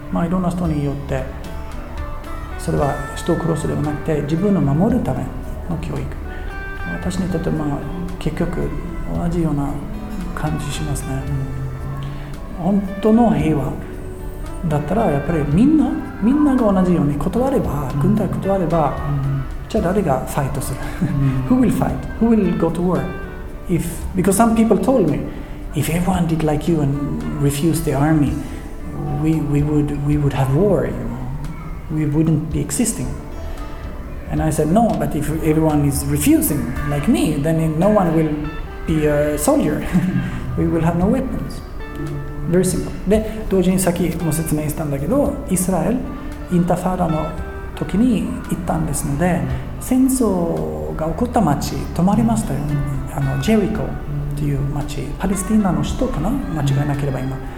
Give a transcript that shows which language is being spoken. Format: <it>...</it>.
<ja>いろんな人によってそれは人を殺すではなくて自分を守るための教育、私にとって結局同じような感じしますね。本当の平和だったらやっぱりみんなが同じように断れば、軍隊断れば、じゃあ誰がファイトする。</ja> <en>Who will fight? Who will go to war? If, because some people told me, if everyone did like you and refused the army, we would have war, you know? We wouldn't be existing. And I said, no, but if everyone is refusing, like me, then no one will be a soldier. We will have no weapons. Very simple.</en> <ja>で、同時にさっきも説明したんだけど、イスラエル、インタファーダの時に行ったんですので、戦争が起こった町、泊まりましたよ。ジェリコという町、パレスティナの首都かな、間違いなければ今。</ja>